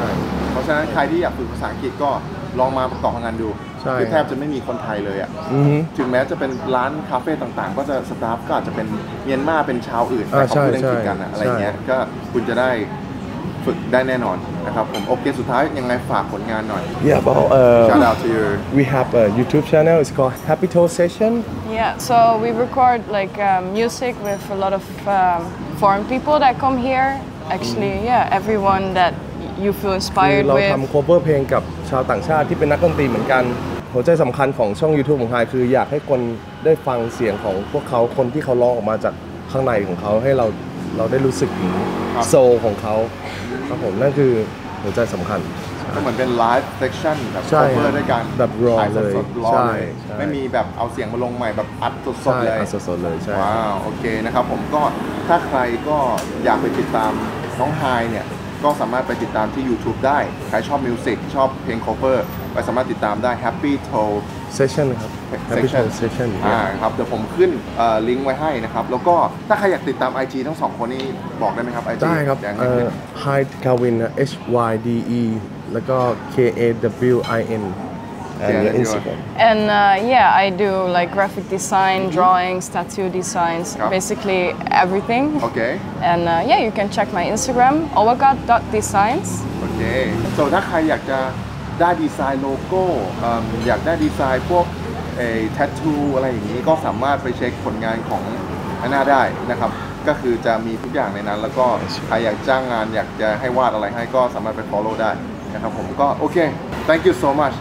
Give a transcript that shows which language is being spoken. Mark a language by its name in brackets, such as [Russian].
[Thai] เพราะฉะนั้นใครที่อยากฝึกภาษาอังกฤษก็ลองมาประกอบงานดูคือ แทบจะไม่มีคนไทยเลยอ่ะถึงแม้จะเป็นร้านคาเฟ่ต่างๆก็จะสตาฟก็อาจจะเป็นเมียนมาเป็นชาวอื่นแต่เขาพูดภาษาอังกฤษกันอะไรเงี้ยก็คุณจะได้ฝึกได้แน่นอนนะครับผมโอเคสุดท้ายยังไงฝากผลงานหน่อย [English] Yeah but shout out to you we have a YouTube channel it's called Happy Toe Session Yeah so we record like music with a lot of foreign people that come hereActually, yeah, everyone that you feel inspired with. [Thai] เราทำโคเวอร์เพลงกับชาวต่างชาติที่เป็นนักดนตรีเหมือนกันหัวใจสำคัญของช่อง YouTube ของไฮคืออยากให้คนได้ฟังเสียงของพวกเขาคนที่เขาร้องออกมาจากข้างในของเขาให้เราได้รู้สึกถึงโซลของเขาครับผมนั่นคือหัวใจสำคัญ ก็เหมือนเป็นไลฟ์เซสชั่นแบบโคเวอร์ด้วยกัน แบบรอเลย ใช่ไม่มีแบบเอาเสียงมาลงใหม่แบบอัดสดๆเลย อัดสดๆเลยใช่ ว้าวโอเคนะครับผมก็ถ้าใครก็อยากไปติดตามน้องไฮเนี่ยก็สามารถไปติดตามที่ YouTube ได้ใครชอบมิวสิกชอบเพลงโคเวอร์ไปสามารถติดตามได้ Happy Toe Session ครับ Happy Toe Session ครับเดี๋ยวผมขึ้นลิงก์ไว้ให้นะครับแล้วก็ถ้าใครอยากติดตาม IG ทั้ง2คนนี้บอกได้มั้ยครับ IG ได้ครับไฮคาวินนะ HYDEแล้วก็ KAWIN [English] and yeah, Instagram and yeah I do like graphic design drawings tattoo designs basically everything okay and yeah you can check my Instagram owagat.designs okay so [Thai] ถ้าใครอยากจะได้ดีไซน์โลโก้อยากได้ดีไซน์พวกไอ้ tattoo อะไรอย่างนี้ก็สามารถไปเช็คผลงานของอันน่าได้นะครับก็คือจะมีทุกอย่างในนั้นแล้วก็ใครอยากจ้างงานอยากจะให้วาดอะไรให้ก็สามารถไป follow ได้นะครับผมก็โอเค [English] thank you so much